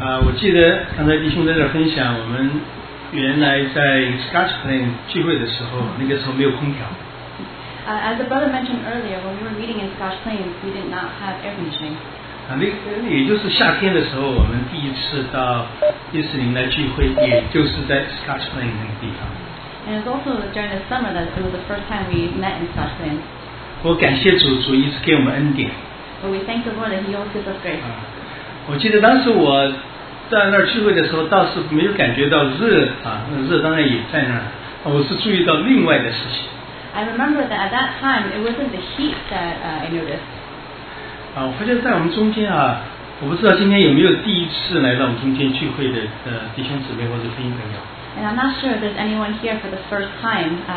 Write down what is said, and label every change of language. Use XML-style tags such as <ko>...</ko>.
<zh>我记得刚才弟兄在这分享，我们原来在 Scotch Plain 聚会的时候，那个时候没有空调。</zh> <en>As the brother mentioned earlier, when we were meeting in Scotch Plain, we did not have air conditioning.</en> <zh>那也就是夏天的时候，我们第一次到伊士林来聚会，也就是在 Scotch Plain 那个地方。</zh> <en>And it's also during the summer that it was the first time we met in Scotch Plain.</en> <zh>我感谢主，主一直给我们恩典。</zh> <en>But we thank the Lord that He always gives us grace.</en> <zh>我记得当时我在那儿聚会的时候，倒是没有感觉到热啊，那热当然也在那儿，我是注意到另外的事情。</zh> <en>I remember that at that time it wasn't the heat that I noticed.</en> <zh>我发现在我们中间啊，我不知道今天有没有第一次来到我们中间聚会的弟兄姊妹或者弟兄朋友。</zh> <en>And I'm not sure if there's anyone here for the first time.</en>